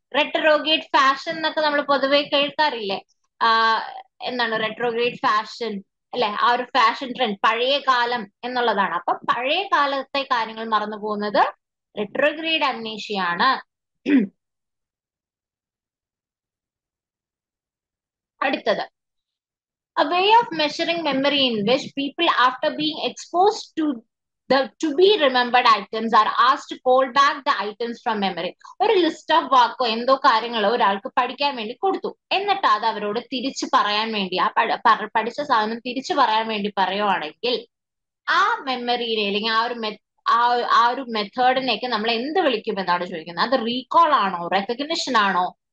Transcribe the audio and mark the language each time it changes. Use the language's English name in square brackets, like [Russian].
[Malayalam] Retrograde fashion എന്നൊക്കെ നമ്മൾ പൊതുവെ കേൾക്കാറില്ലേ, എന്താണ് റെട്രോഗേഡ് ഫാഷൻ അല്ലെ, ആ ഒരു ഫാഷൻ ട്രെൻഡ് പഴയ കാലം എന്നുള്ളതാണ്. അപ്പൊ പഴയ കാലത്തെ കാര്യങ്ങൾ മറന്നു പോകുന്നത് റെട്രോഗ്രേഡ് അംനീഷ്യ ആണ്. അടുത്തത് [English] A way of measuring memory in which people after being exposed to the to be remembered items are asked to call back the items from memory. [Malayalam] ഒരു ലിസ്റ്റ് ഓഫ് വാക്കോ എന്തോ കാര്യങ്ങളോ ഒരാൾക്ക് പഠിക്കാൻ വേണ്ടി കൊടുത്തു എന്നിട്ട് അത് അവരോട് തിരിച്ചു പറയാൻ വേണ്ടി ആ പഠിച്ച സാധനം തിരിച്ചു പറയാൻ വേണ്ടി പറയുവാണെങ്കിൽ ആ മെമ്മറിയിലെ അല്ലെങ്കിൽ ആ ഒരു മെത്തേഡിനെയൊക്കെ നമ്മൾ എന്ത് വിളിക്കും എന്നാണ് ചോദിക്കുന്നത് അത് റീകോൾ ആണോ റെക്കഗ്നിഷൻ ആണോ